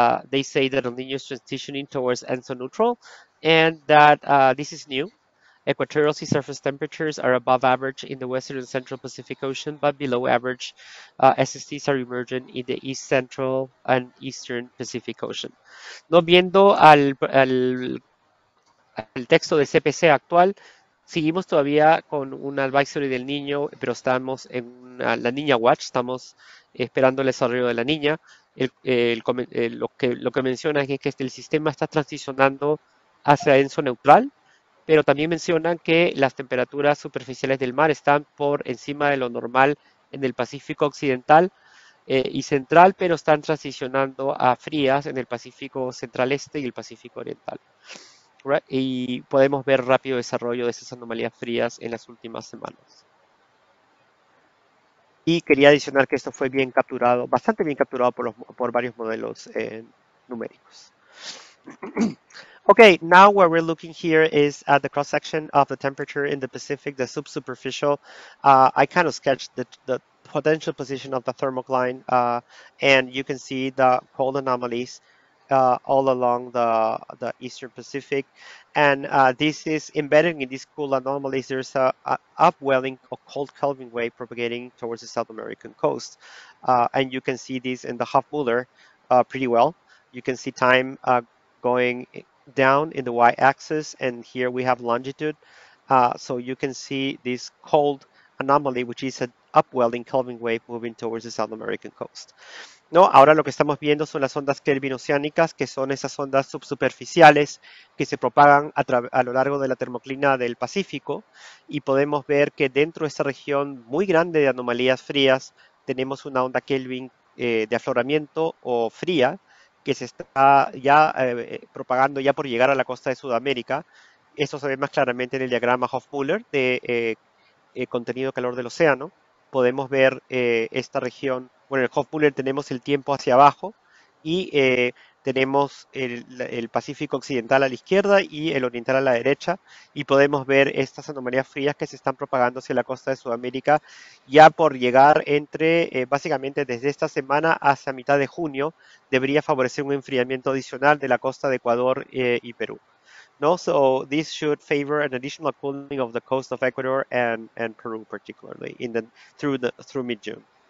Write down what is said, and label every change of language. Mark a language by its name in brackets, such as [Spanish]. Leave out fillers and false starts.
[English] They say that El Niño is transitioning towards ENSO neutral, and that this is new. Equatorial sea surface temperatures are above average in the western and central Pacific Ocean, but below average. SSTs are emerging in the east central and eastern Pacific Ocean. [Spanish] No viendo al texto de CPC actual, seguimos todavía con un advisory del Niño, pero estamos en la Niña Watch, estamos esperando el desarrollo de la Niña. Lo que menciona es que el sistema está transicionando hacia ENSO neutral, pero también mencionan que las temperaturas superficiales del mar están por encima de lo normal en el Pacífico Occidental y Central, pero están transicionando a frías en el Pacífico Central Este y el Pacífico Oriental. Y podemos ver rápido desarrollo de esas anomalías frías en las últimas semanas. Y quería adicionar que esto fue bien capturado, bastante bien capturado por varios modelos numéricos. [English] Okay, now what we're looking here is at the cross section of the temperature in the Pacific, the subsuperficial. I kind of sketched the potential position of the thermocline, and you can see the cold anomalies all along the eastern Pacific. And this is embedding in these cold anomalies. There's a upwelling of cold Kelvin wave propagating towards the South American coast, and you can see this in the Hofmüller pretty well. You can see time going down in the y-axis, and here we have longitude. So you can see this cold anomaly, which is an upwelling Kelvin wave moving towards the South American coast. [Spanish] No, ahora lo que estamos viendo son las ondas Kelvin oceánicas, que son esas ondas subsuperficiales que se propagan a lo largo de la termoclina del Pacífico, y podemos ver que dentro de esta región muy grande de anomalías frías tenemos una onda Kelvin de afloramiento o fría que se está ya propagando ya por llegar a la costa de Sudamérica. Eso se ve más claramente en el diagrama Hofmüller de contenido calor del océano. Podemos ver esta región, bueno, en el Hofmüller tenemos el tiempo hacia abajo y tenemos el Pacífico Occidental a la izquierda y el Oriental a la derecha, y podemos ver estas anomalías frías que se están propagando hacia la costa de Sudamérica ya por llegar entre, básicamente desde esta semana hacia mitad de junio, debería favorecer un enfriamiento adicional de la costa de Ecuador y Perú. [English] No, so this should favor an additional cooling of the coast of Ecuador and Peru, particularly in the through mid-June.